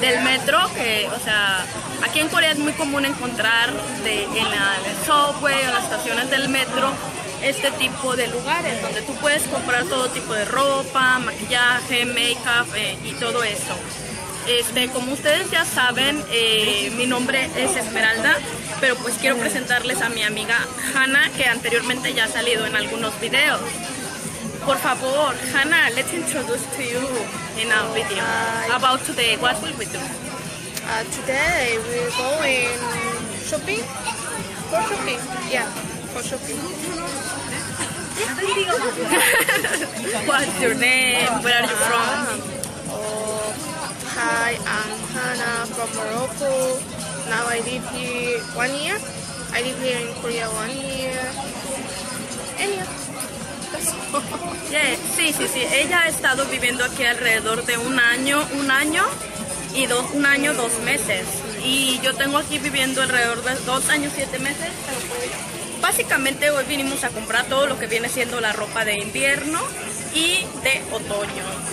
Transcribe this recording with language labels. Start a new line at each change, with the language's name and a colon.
Spanish: Del metro, que, o sea, aquí en Corea es muy común encontrar en el subway o en las estaciones del metro este tipo de lugares donde tú puedes comprar todo tipo de ropa, maquillaje, make-up y todo eso. Como ustedes ya saben, mi nombre es Esmeralda, pero pues quiero presentarles a mi amiga Hannah, que anteriormente ya ha salido en algunos videos. Por favor,
English: Hannah, let's introduce to you in our video. About today, what will we do? Today we're going shopping. For shopping. Yeah, for shopping. What's your name? Where are you from? Hi, I'm Hannah from Morocco. Now I live here 1 year. I live here in Korea 1 year. And yeah, that's all. Yeah, sí.
Spanish: Ella ha estado viviendo aquí alrededor de un año y dos meses. Y yo tengo aquí viviendo alrededor de 2 años, 7 meses. Básicamente hoy vinimos a comprar todo lo que viene siendo la ropa de invierno y de otoño.